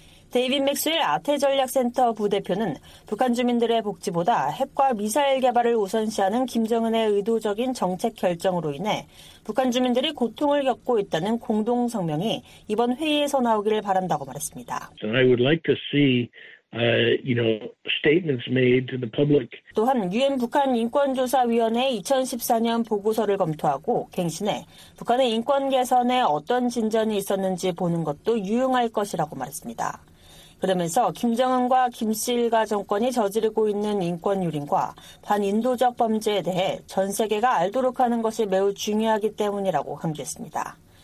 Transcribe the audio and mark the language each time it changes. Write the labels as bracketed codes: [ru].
[ko] 데이빗 맥스웰 아태전략센터 부대표는 북한 주민들의 복지보다 핵과 미사일 개발을 우선시하는 김정은의 의도적인 정책 결정으로 인해 북한 주민들이 고통을 겪고 있다는 공동성명이 이번 회의에서 나오기를 바란다고 말했습니다. [en] So I would like to see, you know, statements made to the public. [ko] 또한 유엔 북한인권조사위원회의 2014년 보고서를 검토하고 갱신해 북한의 인권 개선에 어떤 진전이 있었는지 보는 것도 유용할 것이라고 말했습니다. 그러면서 김정은과 김씨 일가 정권이 저지르고 있는 인권유린과 반인도적 범죄에 대해 전 세계가 알도록 하는 것이 매우 중요하기 때문이라고 강조했습니다.